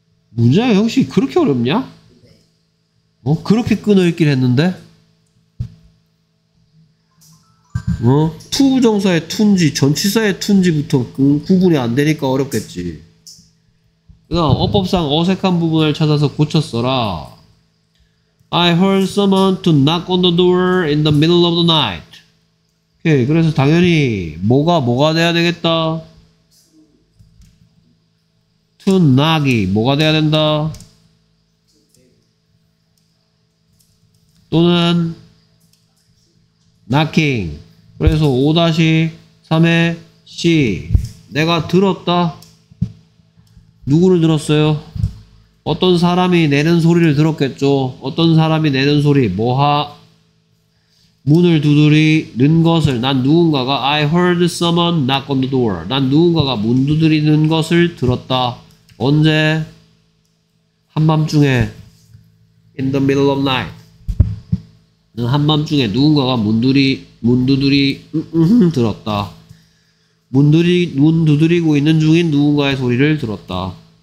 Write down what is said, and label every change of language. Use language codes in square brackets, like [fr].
[ko] 문장의 형식이 그렇게 어렵냐? 어? 그렇게 끊어 읽길 했는데? 어? to 부정사의 to인지 전치사의 to인지부터 구분이 안 되니까 어렵겠지. 그다음 어법상 어색한 부분을 찾아서 고쳤어라. [en] I heard someone to knock on the door in the middle of the night. [ko] 오케이, 그래서 당연히 뭐가 돼야 되겠다. To knock이 뭐가 돼야 된다. 또는 knocking. 그래서 5-3의 C. 내가 들었다. 누구를 들었어요? 어떤 사람이 내는 소리를 들었겠죠. 어떤 사람이 내는 소리, 뭐하? 문을 두드리는 것을. 난 누군가가 [en] I heard someone knock on the door. [ko] 난 누군가가 문 두드리는 것을 들었다. 언제? 한밤중에. [en] In the middle of night. [ko] 난 한밤중에 누군가가 문 두드리고 있는 중인 들었다. 문 두드리고 있는 중인 누군가의 소리를 들었다.